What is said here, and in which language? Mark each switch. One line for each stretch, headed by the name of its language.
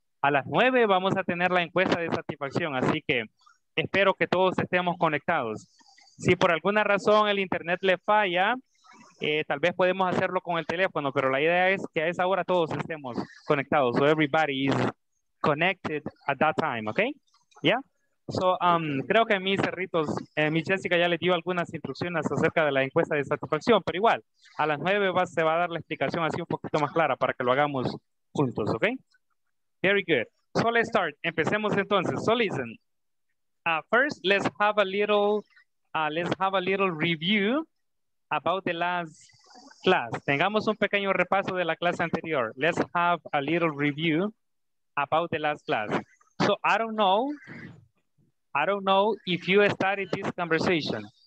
Spanish: A las 9 vamos a tener la encuesta de satisfacción, así que espero que todos estemos conectados. Si por alguna razón el internet le falla, tal vez podemos hacerlo con el teléfono, pero la idea es que a esa hora todos estemos conectados.
English: So everybody is connected at that time, ¿ok? Yeah.
Spanish: So creo que mis cerritos, mi Jessica ya le dio algunas instrucciones acerca de la encuesta de satisfacción, pero igual, a las 9 se va a dar la explicación así un poquito más clara para que lo hagamos juntos, ¿ok?
English: Very good. So let's start.
Spanish: Empecemos entonces.
English: So listen. First, let's have a little review about the last class.
Spanish: Tengamos un pequeño repaso de la clase anterior.
English: Let's have a little review about the last class. So I don't know if you started this conversation.